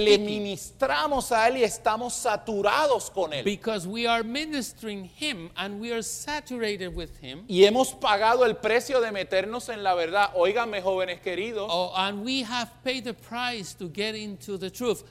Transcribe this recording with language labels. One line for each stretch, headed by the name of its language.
Spanish: le ministramos a él y estamos saturados con él.
English: Because we are ministering him and we are saturated with him.
Spanish: Y hemos pagado el precio de meternos en la verdad. Óiganme, jóvenes queridos.
English: Oh, and we have paid the price to get into the truth.